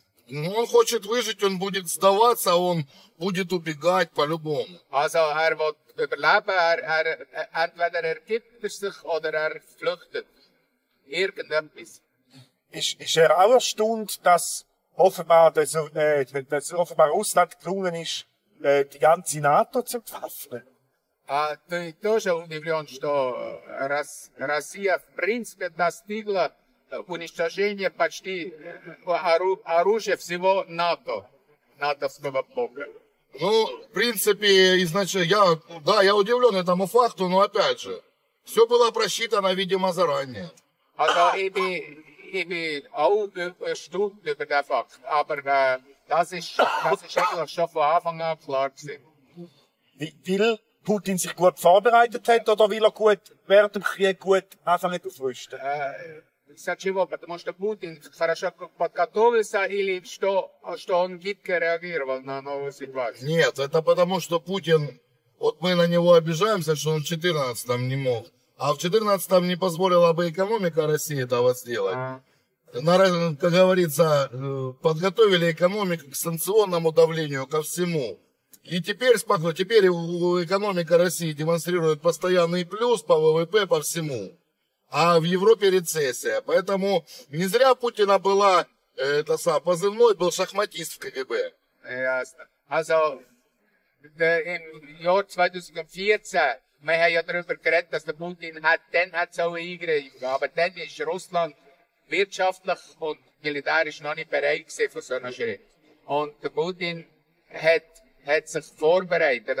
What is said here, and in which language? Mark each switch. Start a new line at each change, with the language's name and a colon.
Russian: Он хочет выжить, он будет сдаваться, он будет убегать по-любому.
German: Also, er wird überleben, entweder er gibt sich oder er flüchtet. Irgendetwas. Ist er auch erstaunt, dass offenbar Russland gelungen ist, die ganze NATO zu entwaffnen.
Russian: Тоже удивлен, что Россия в принципе достигла уничтожения почти оружия всего НАТО, НАТОвского блока. Ну, в принципе, изначально, я удивлен этому факту, но опять же, все было просчитано, видимо, заранее. А то и ауды штук, это факт, а это еще в Афанга Кларксе.
German: Путин sich gut vorbereitet hat, oder will er gut während dem Krieg gut anfangen zu aufrüsten?
Russian: Зачего? Потому что Путин хорошо подготовился или что он гибко реагировал на новую ситуацию? Нет, это потому что Путин, вот мы на него обижаемся, что он в 14-м не мог. А в 14-м не позволила бы экономика России этого сделать. Как говорится, подготовили экономику к санкционному давлению, ко всему. И теперь экономика России демонстрирует постоянный плюс по ВВП, по всему. А в Европе рецессия. Поэтому не зря Путина была, позывной был шахматист в КГБ. Ясно.
German: Also, im Jahr 2014,
Russian: мы
German: haben ja darüber geredet, dass der Putin hat, dann hat so eine Eingreifung. Aber dann ist Russland wirtschaftlich und militärisch noch nicht bereit gewesen für so einen Schritt. Und der Putin hat sich vorbereitet.